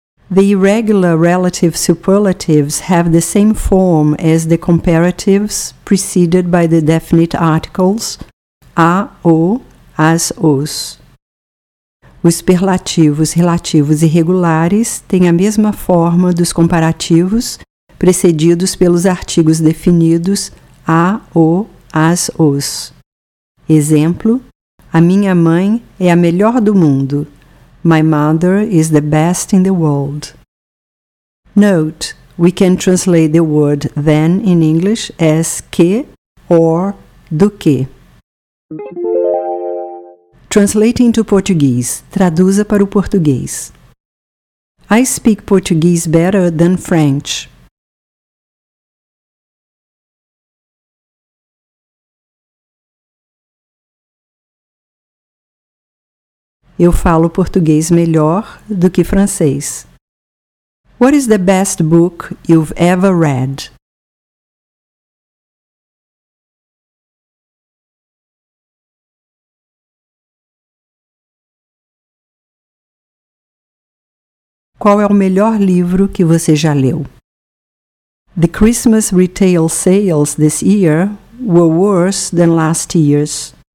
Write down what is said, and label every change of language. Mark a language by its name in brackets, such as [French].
[English] The irregular relative superlatives have the same form as the comparatives preceded by the definite articles a, o, as, os. [Portuguese] Os superlativos relativos irregulares têm a mesma forma dos comparativos precedidos pelos artigos definidos a, o, as, os. Exemplo, a minha mãe é a melhor do mundo. [English] My mother is the best in the world. Note, we can translate the word then in English as que or do que. Translate into Portuguese. [Portuguese] Traduza para o português. [English] I speak Portuguese better than French. [Portuguese] Eu falo português melhor do que francês. [English] What is the best book you've ever read? [Portuguese] Qual é o melhor livro que você já leu? [English] The Christmas retail sales this year were worse than last year's.